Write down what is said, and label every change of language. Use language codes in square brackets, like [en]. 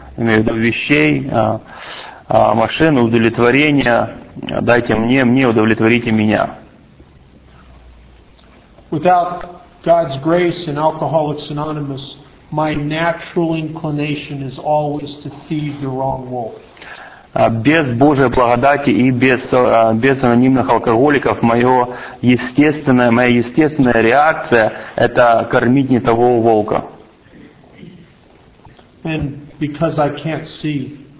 [ru] Имею в виду вещей, машин, удовлетворения. Дайте мне удовлетворите меня. [en] Without God's grace and Alcoholics Anonymous, my natural inclination is always to feed the wrong wolf. [ru] Без Божьей благодати и без анонимных алкоголиков моя естественная реакция – это кормить не того волка. [en] And because I can't see.